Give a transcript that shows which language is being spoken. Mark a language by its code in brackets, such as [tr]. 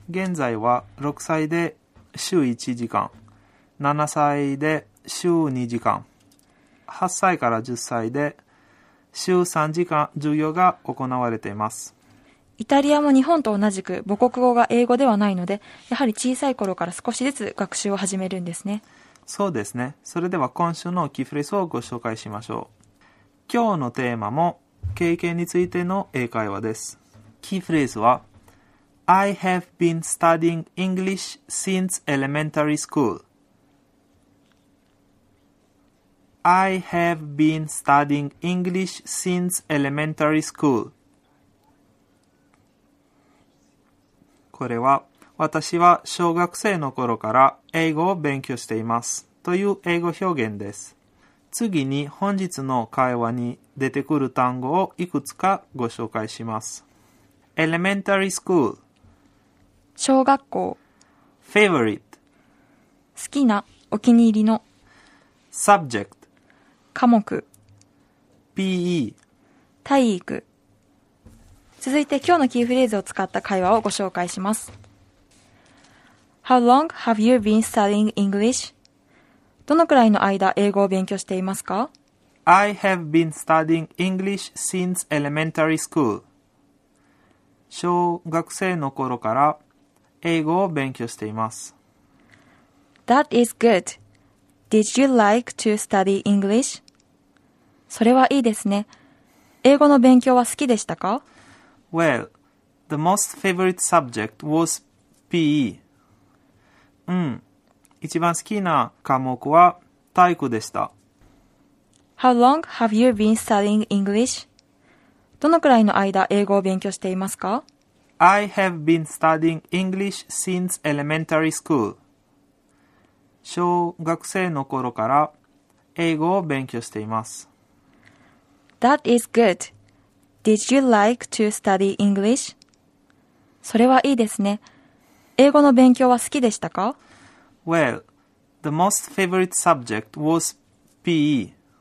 [ja] 現在は6歳で週1時間7歳で週2時間8歳から10歳で週3時間授業が行われています。イタリアも日本と同じく母国語が英語ではないので、やはり小さい頃から少しずつ学習を始めるんですね。そうですね。それでは今週のキーフレーズをご紹介しましょう。今日のテーマも経験についての英会話です。キーフレーズは [en] I have been studying English since elementary schoolI have been studying English since elementary school. [ja] これは、私は小学生の頃から英語を勉強していますという英語表現です。次に本日の会話に出てくる単語をいくつかご紹介します。 [en] Elementary school [ja] 小学校 [en] Favorite [ja] 好きな、お気に入りの [en] Subject [ja] 科目 [en] PE [ja] 体育。続いて今日のキーフレーズを使った会話をご紹介します。 [en] How long have you been studying English? [ja] どのくらいの間英語を勉強していますか? [en] I have been studying English since elementary school. [ja] 小学生の頃から英語を勉強しています。 [en] That is good. Did you like to study English? [ja] それはいいですね。英語の勉強は好きでしたか? [en] Well, the most favorite subject was PE. [ja] うん、一番好きな科目は体育でした。 [en] How long have you been studying English? [ja] どのくらいの間英語を勉強していますか? [en] I have been studying English since elementary school. [ja] 小学生の頃から英語を勉強しています。 [en] That is good. Did you like to study English? [ja] それはいいですね。英語の勉強は好きでしたか? [en] Well, the most favorite subject was PE.